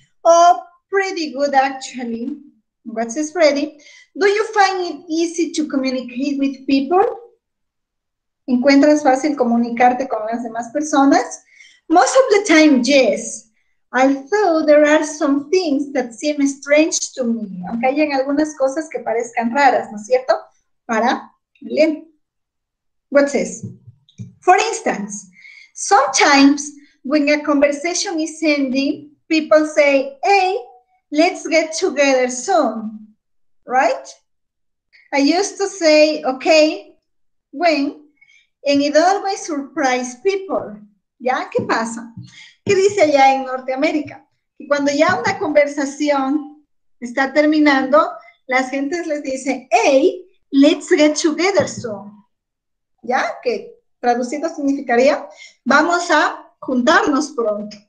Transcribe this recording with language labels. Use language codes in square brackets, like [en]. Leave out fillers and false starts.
[en] Oh, pretty good, actually. What says Freddy? Do you find it easy to communicate with people? [es] ¿Encuentras fácil comunicarte con las demás personas? [en] Most of the time, yes. Although there are some things that seem strange to me. [es] Aunque hayan algunas cosas que parezcan raras, ¿no es cierto? Para Elena. [en] What says? For instance, sometimes, when a conversation is ending, people say, hey, let's get together soon, right? I used to say, okay, when, and it always surprised people. [es] ¿Ya? ¿Qué pasa? ¿Qué dice allá en Norteamérica? Que cuando ya una conversación está terminando, las gentes les dice, [en] hey, let's get together soon. [es] ¿Ya? ¿Qué? Traducido significaría, vamos a juntarnos pronto.